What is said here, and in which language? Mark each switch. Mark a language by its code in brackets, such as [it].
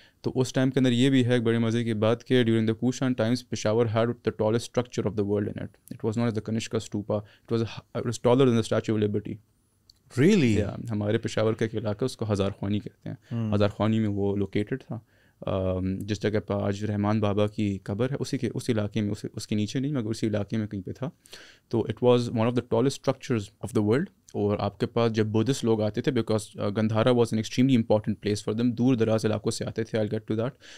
[ur] تو اس ٹائم کے اندر یہ بھی ہے ایک بڑے مزے کی بات کہ [en] During the Kushan times Peshawar had the tallest structure of the world in it. It was not the Kanishka stupa, it was taller than the Statue of Liberty. Really? [ur] ہمارے پشاور کا ایک علاقہ, اس کو ہزار خوانی کہتے ہیں, ہزار خوانی میں وہ لوکیٹڈ تھا, جس جگہ پہ آج رحمان بابا کی قبر ہے اسی کے اس علاقے میں, اس کے نیچے نہیں مگر اسی علاقے میں کہیں پہ تھا. [en] تو it was one of the tallest structures of the world. [ur] اور آپ کے پاس جب بدھسٹ لوگ آتے تھے, [en] because Gandhara was an extremely important place for them, [ur] دور دراز علاقوں سے آتے تھے, [en] I get to that.